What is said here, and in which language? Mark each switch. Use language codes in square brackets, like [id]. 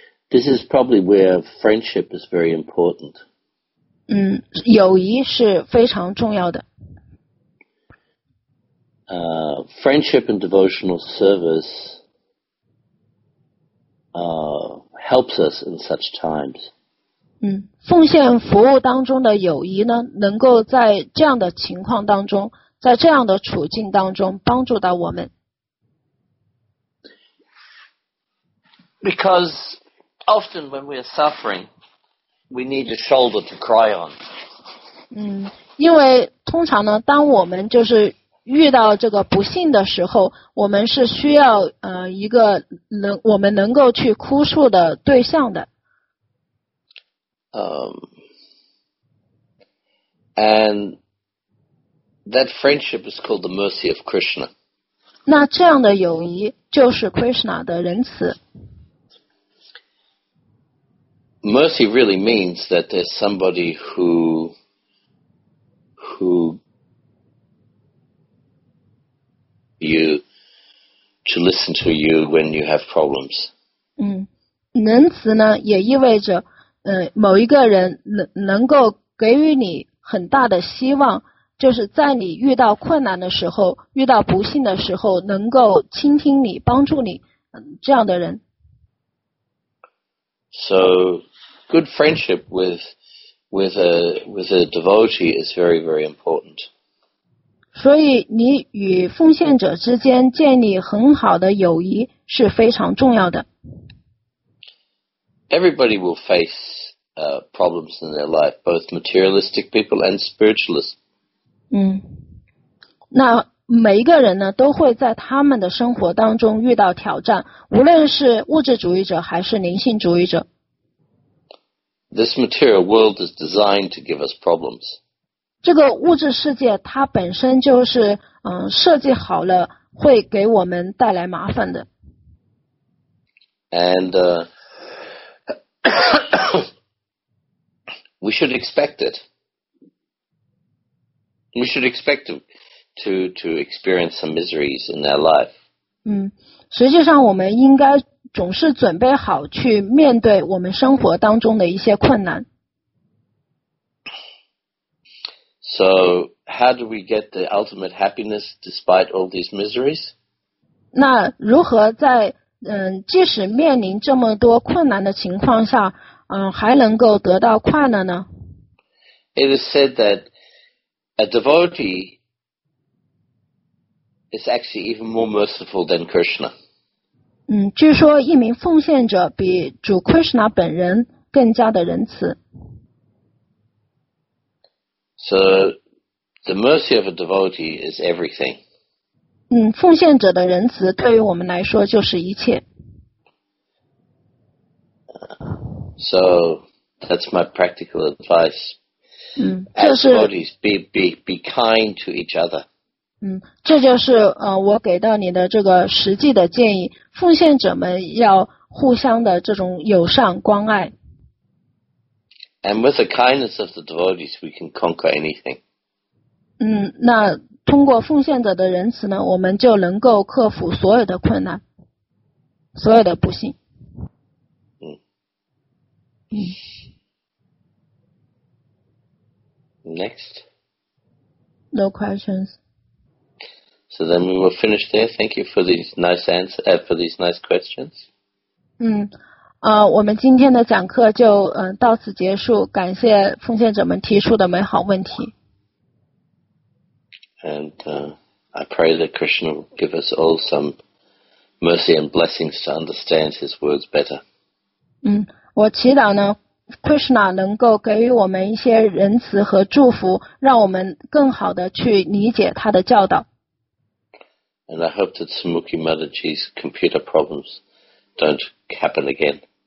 [en] This is probably where friendship is very important. [zh] 友谊是非常重要的。 [en] Friendship and devotional service helps us in such times. [zh] 奉献服务当中的友谊呢，能够在这样的情况当中，在这样的处境当中帮助到我们。 [en] Because often when we are suffering, we need a shoulder to cry on. [zh] 因为通常呢，当我们就是遇到这个不幸的时候，我们是需要一个我们能够去哭诉的对象的。 [en] And that friendship is called the mercy of Krishna. [zh] 那这样的友谊就是 Krishna 的仁慈。 [en] Mercy really means that there's somebody who you to listen to you when you have problems. [zh] 仁慈呢也意味着某一个人能够给予你很大的希望，就是在你遇到困难的时候，遇到不幸的时候，能够倾听你，帮助你，这样的人。 [en] So,good friendship with a devotee is very, very important. [zh] 所以你与奉献者之间建立很好的友谊是非常重要的。 [en] Everybody will face problems in their life, both materialistic people and spiritualists. [zh] 那每一个人呢都会在他们的生活当中遇到挑战，无论是物质主义者还是灵性主义者。 [en] This material world is designed to give us problems. [zh] 这个物质世界它本身就是设计好了会给我们带来麻烦的。 [en] And we should expect it. We should expect to experience some miseries in our life. [zh] 实际上我们应该总是准备好去面对我们生活当中的一些困难。 [en] So, how do we get the ultimate happiness despite all these miseries? [zh] 那如何在即使面临这么多困难的情况下，还能够得到快乐呢？ [en] It is said that a devotee is actually even more merciful than Krishna. [zh] 据说一名奉献者比主 Krishna 本人更加的仁慈。 [en] So, the mercy of a devotee is everything. [zh] 奉献者的仁慈对于我们来说就是一切。 [en] So, that's my practical advice. As devotees, be kind to each other. [zh] 这就是我给到你的这个实际的建议，奉献者们要互相的这种友善关爱。 [en] And with the kindness of the devotees, we can conquer anything. [zh] 那通过奉献者的仁慈呢，我们就能够克服所有的困难，所有的不幸。 [en] Next. No questions. So then we will finish there. Thank you for these nice answers, for these nice questions. [zh] 我们今天的讲课就到此结束。感谢奉献者们提出的美好问题。 [en] And I pray that Krishna will give us all some mercy and blessings to understand his words better. [zh] 我祈祷呢 ，Krishna 能够给予我们一些仁慈和祝福，让我们更好的去理解他的教导。 [en] And I hope that Smoky Mataji's computer problems don't happen again.